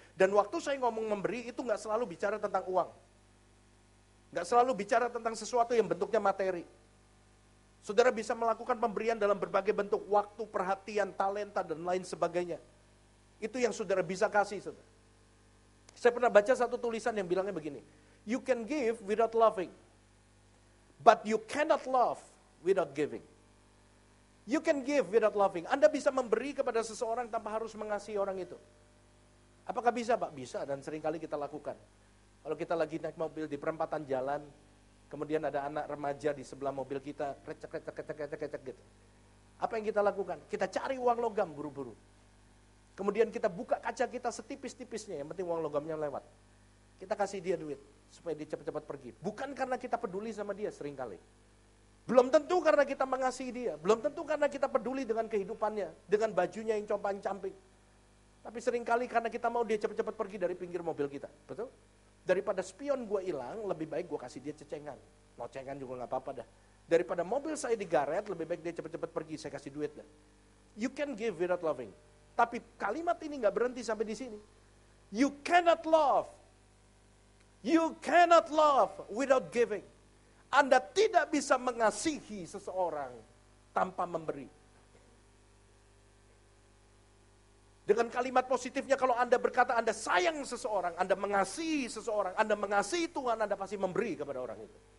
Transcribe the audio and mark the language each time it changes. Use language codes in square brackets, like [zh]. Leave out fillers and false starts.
[id] Dan waktu saya ngomong memberi itu gak selalu bicara tentang uang. Gak selalu bicara tentang sesuatu yang bentuknya materi. Saudara bisa melakukan pemberian dalam berbagai bentuk. Waktu, perhatian, talenta, dan lain sebagainya. Itu yang saudara bisa kasih. Saudara. Saya pernah baca satu tulisan yang bilangnya begini. [en] You can give without loving. But you cannot love without giving. You can give without loving. [id] Anda bisa memberi kepada seseorang tanpa harus mengasihi orang itu. Apakah bisa, Pak? Bisa, dan seringkali kita lakukan. Kalau kita lagi naik mobil di perempatan jalan, kemudian ada anak remaja di sebelah mobil kita, recek, recek, recek, recek, recek, gitu. Apa yang kita lakukan? Kita cari uang logam buru-buru. Kemudian kita buka kaca kita setipis-tipisnya, yang penting uang logamnya lewat. Kita kasih dia duit, supaya dia cepat-cepat pergi. Bukan karena kita peduli sama dia seringkali. Belum tentu karena kita mengasihi dia. Belum tentu karena kita peduli dengan kehidupannya. Dengan bajunya yang compang-camping. Tapi seringkali karena kita mau dia cepat-cepat pergi dari pinggir mobil kita. Betul? Daripada spion gue hilang, lebih baik gue kasih dia cecengan. Nocengan juga gak apa-apa dah. Daripada mobil saya digaret, lebih baik dia cepat-cepat pergi, saya kasih duit dah. [en] You can give without loving. [id] Tapi kalimat ini gak berhenti sampai di sini. [en] You cannot love. You cannot love without giving. [id] Anda tidak bisa mengasihi seseorang tanpa memberi. Dengan kalimat positifnya, kalau Anda berkata Anda sayang seseorang, Anda mengasihi seseorang, Anda mengasihi Tuhan, Anda pasti memberi kepada orang itu.